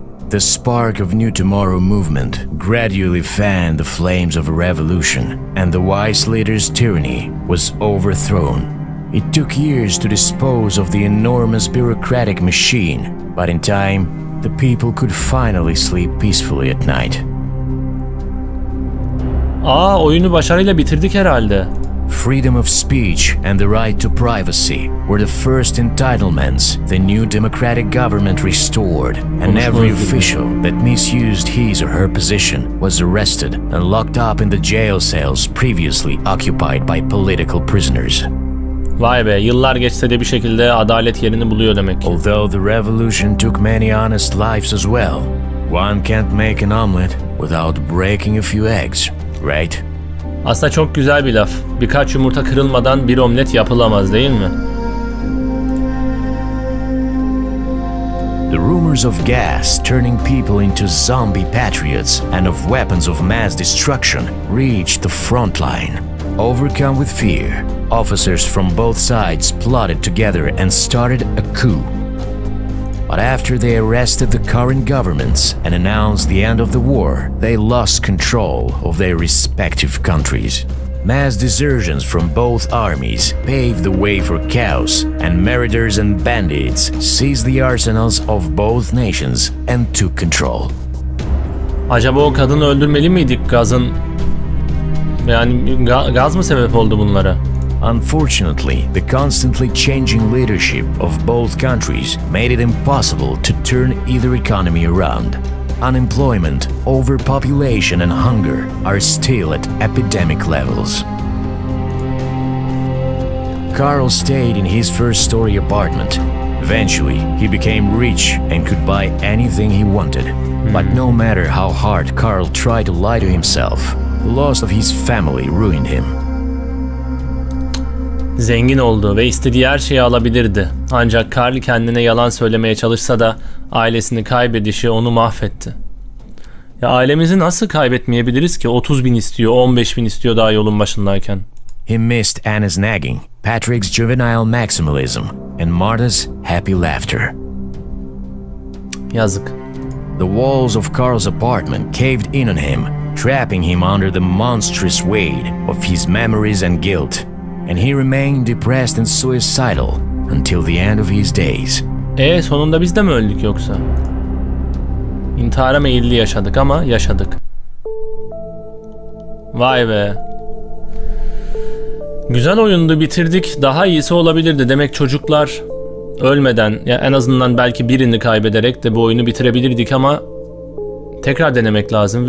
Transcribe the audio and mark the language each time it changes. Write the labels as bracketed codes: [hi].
[en] The spark of New Tomorrow movement gradually fanned the flames of a revolution, and the wise leader's tyranny was overthrown. It took years to dispose of the enormous bureaucratic machine, but in time, the people could finally sleep peacefully at night. [tr] Aa, oyunu başarıyla bitirdik herhalde. [en] freedom of speech and the right to privacy were the first entitlements the new democratic government restored, and every official that misused his or her position was arrested and locked up in the jail cells previously occupied by political prisoners. [tr] Vay be, yıllar geçse de bir şekilde adalet yerini buluyor demek. [en] Although the revolution took many honest lives as well, one can't make an omelet without breaking a few eggs, right? [tr] Aslında çok güzel bir laf. Birkaç yumurta kırılmadan bir omlet yapılamaz, değil mi? [en] The rumors of gas turning people into zombie patriots and of weapons of mass destruction reached the front line. Overcome with fear, officers from both sides plotted together and started a coup. But after they arrested the current governments and announced the end of the war, they lost control of their respective countries. Mass desertions from both armies paved the way for chaos, and marauders and bandits seized the arsenals of both nations and took control. [tr] Acaba o kadını öldürmeli miydik gazın? Yani gaz mı sebep oldu bunlara? [en] Unfortunately, the constantly changing leadership of both countries made it impossible to turn either economy around. Unemployment, overpopulation and hunger are still at epidemic levels. Carl stayed in his first-story apartment. Eventually, he became rich and could buy anything he wanted. But no matter how hard Carl tried to lie to himself, the loss of his family ruined him. [tr] Zengin oldu ve istediği her şeyi alabilirdi. Ancak Carl kendine yalan söylemeye çalışsa da ailesini kaybedişi onu mahvetti. Ya ailemizi nasıl kaybetmeyebiliriz ki? 30 bin istiyor, 15 bin istiyor daha yolun başındayken. [en] He missed Anna's nagging, Patrick's juvenile maximalism, and Martha's happy laughter. [tr] Yazık. [en] The walls of Carl's apartment caved in on him, trapping him under the monstrous weight of his memories and guilt. And he remained depressed and suicidal until the end of his days. [tr] Sonunda biz de mi öldük yoksa? İntihara meyilli yaşadık ama yaşadık. Vay be. Güzel oyundu, bitirdik. Daha iyisi olabilirdi. Demek çocuklar ölmeden, ya en azından belki birini kaybederek de bu oyunu bitirebilirdik ama tekrar denemek lazım.